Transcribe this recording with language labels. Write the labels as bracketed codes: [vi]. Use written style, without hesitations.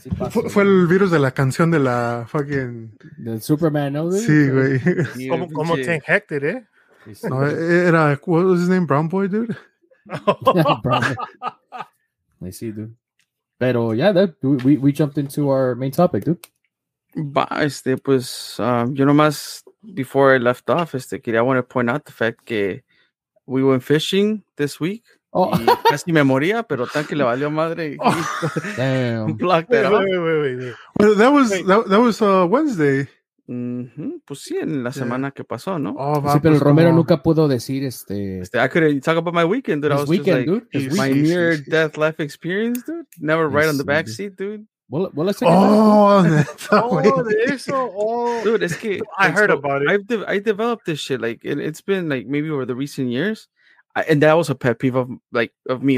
[es] Fue el virus de la canción de la fucking... Del Superman, ¿no, dude? Sí, güey. ¿Cómo te infecté, eh? [en] No, era, what was his name, Brown Boy, dude? Brown Boy. I see, dude. Pero, yeah, that, we jumped into our main topic, dude. Bah, este, pues, yo nomás, before I left off, este, quería, I want to point out the fact que we went fishing this week. Oh. [es] Y casi me moría, pero tanque le valió madre. Y... [en] Oh. Damn. Blocked that off. That was Wednesday. Mm-hmm. [es] Pues sí, en la semana que pasó, ¿no? Oh, va, sí, pero pues, Romero nunca pudo decir, este... [en] Este, I couldn't talk about my weekend, dude. I was just like, my near-death life experience, dude. Never ride on the back seat, dude. Well, let's take dude, [es] es que [en] I heard about it. I developed this shit, like, and it's been like maybe over the recent years, and that was a pet peeve of me.